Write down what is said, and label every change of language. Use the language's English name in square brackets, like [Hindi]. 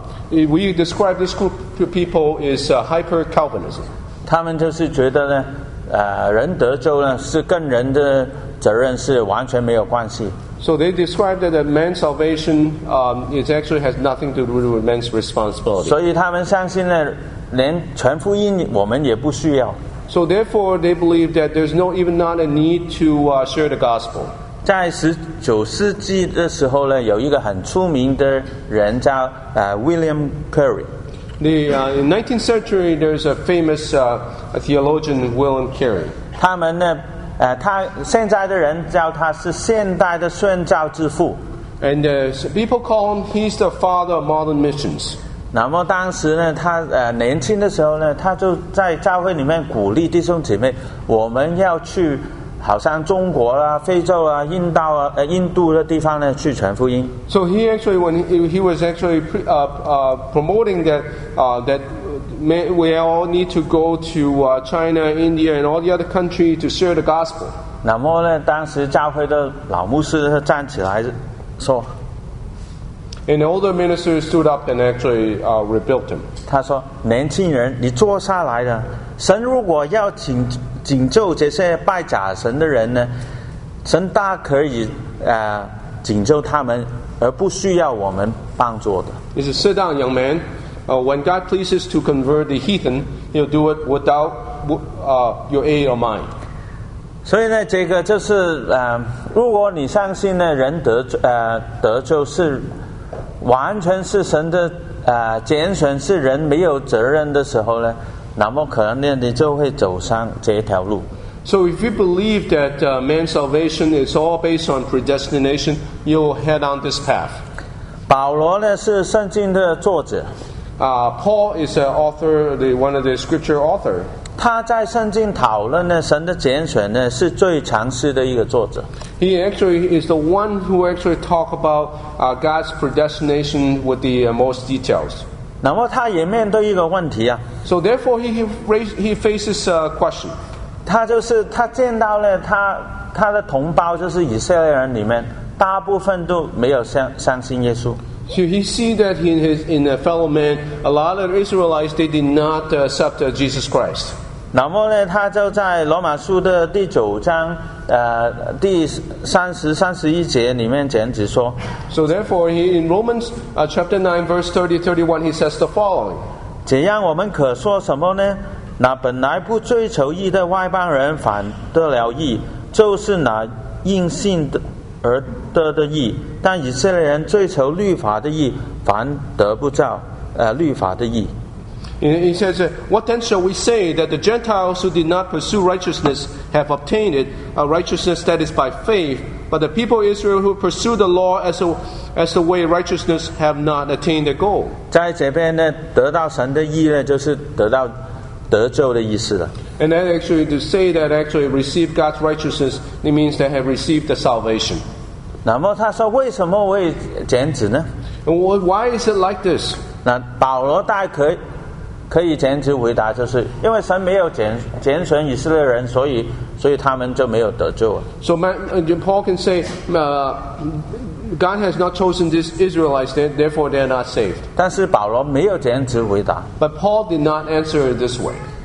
[English] We describe this group of people as hyper Calvinism. [Chinese] 他们就是觉得呢，人得救呢是跟人的责任是完全没有关系。 [English] So they describe that man's salvation is actually has nothing to do with man's responsibility. [Chinese] 所以他们相信呢，连传福音我们也不需要。 [English] So therefore, they believe that there's no even not a need to share the gospel. [Chinese] 在十九世纪的时候呢，有一个很出名的人叫William Carey。 [English] The, in 19th century, there's a famous theologian, William Carey. [Chinese] 他们呢，他现在的人叫他是现代的宣教之父。 [English] And people call him, he's the father of modern missions. [Chinese] 那么当时呢，他年轻的时候呢，他就在教会里面鼓励弟兄姐妹，我们要去好像中国啦、非洲啦、印度啊、印度的地方呢，去传福音。 [English] So he actually, when he was actually promoting that that we all need to go to China, India, and all the other country to share the gospel. [Chinese] 那么呢，当时教会的老牧师站起来说 [English] ，An older minister stood up and actually rebuked him. [Chinese] 他说：“年轻人，你坐下来的，神如果要请。” 拯救这些拜假神的人呢，神大可以拯救他们，而不需要我们帮助的。 [English] He said, "Sit down, young man. When God pleases to convert the heathen, He'll do it without your aid or mine." [Chinese] 所以呢，这个就是如果你相信呢，人得救是完全是神的拣选，是人没有责任的时候呢。那么可能呢，你就会走上这条路。 [English] So if you believe that man's salvation is all based on predestination, you'll head on this path. [Chinese] 保罗呢是圣经的作者。 [English] Paul is an author, one of the scripture author. [Chinese] 他在圣经讨论呢神的拣选呢是最详细的一个作者。 [English] He actually is the one who actually talk about God's predestination with the most details. [Chinese] 那么他也面对一个问题啊。 [English] So therefore he faces a question. [Chinese] 他就是他见到了他的同胞，就是以色列人里面大部分都没有相信耶稣。 [English] So he see that in a fellow man, a lot of Israelites, they did not accept Jesus Christ. [Chinese] 那么呢，他就在罗马书的第九章第三十、三十一节里面这样子说。 [English] So therefore, he in Romans chapter 9 verse 30-31, he says the following. [Chinese] 这样我们可说什么呢？那本来不追求义的外邦人反得了义，就是那因信而得的义；但以色列人追求律法的义，反得不着律法的义。 [English] He says, "What then shall we say that the Gentiles who did not pursue righteousness have obtained it, a righteousness that is by faith? But the people of Israel who pursue the law as the way of righteousness have not attained their goal." [Chinese] 在这边呢，得到神的义呢，就是得到得救的意思了。 [English] And then actually to say that actually receive God's righteousness, it means they have received the salvation. [Chinese] 那么他说为什么会这样子呢 [English] ？And why is it like this? [Chinese] 那保罗大可。可以简直回答，就是因为神没有拣选以色列人，所以他们就没有得救。 [English] So Paul can say, God has not chosen these Israelites, therefore they are not saved. [Chinese] 但是保罗没有简直回答。 [English] But Paul did not answer this way.